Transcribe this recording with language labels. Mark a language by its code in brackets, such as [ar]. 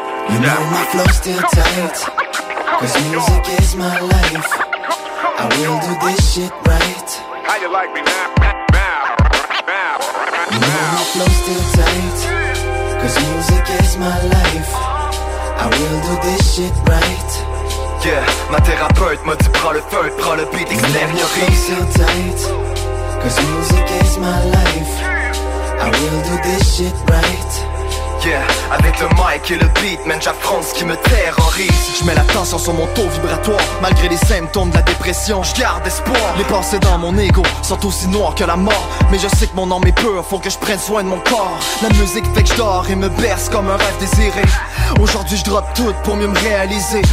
[en] You know my flow's still tight, 'cause music is my life. I will do this shit right. How you like me now? You know my flow's still tight, 'cause music is my life. I will do this shit right. [fr] Yeah, ma thérapeute m'a dit prends le feu, prends le beat, extériorise. [en] You know my flow's still tight, 'cause music is my life. I will do this shit right. [fr] Yeah, avec le mic et le beat, man, j'affronte ce qui me terrorise. Je mets l'attention sur mon taux vibratoire. Malgré les symptômes de la dépression, je garde espoir. Les pensées dans mon ego sont aussi noires que la mort. Mais je sais que mon âme est pure, faut que je prenne soin de mon corps. La musique fait que je dors et me berce comme un rêve désiré. Aujourd'hui je drop tout pour mieux me réaliser.